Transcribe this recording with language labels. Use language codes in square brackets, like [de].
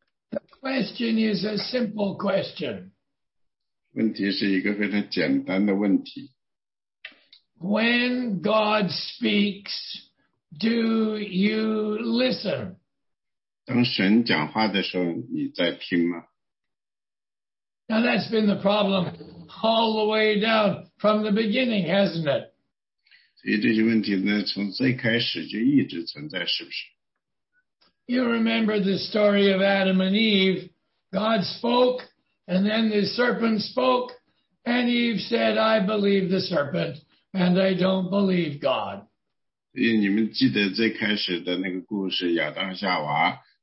[en] The question is a simple question. [zh] 问题是一个非常简单的问题。 [en] When God speaks, do you listen? [zh] 当神讲话的时候，你在听吗？ [en] Now that's been the problem all the way down from the beginning, hasn't it? [zh] 所以这些问题呢，从最开始就一直存在，是不是？ [en] You remember the story of Adam and Eve. God spoke, and then the serpent spoke, and Eve said, I believe the serpent, and I don't believe God. [zh] 所以你们记得最开始的那个故事，亚当夏娃。